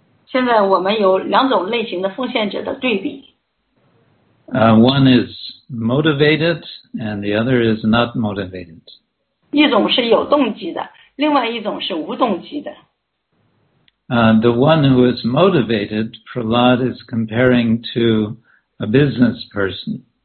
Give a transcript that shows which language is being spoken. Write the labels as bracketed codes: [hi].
[en] One is motivated and the other is not motivated. [zh] 一种是有动机的，另外一种是无动机的。 [en] The one who is motivated, Prahlad is comparing to a business person.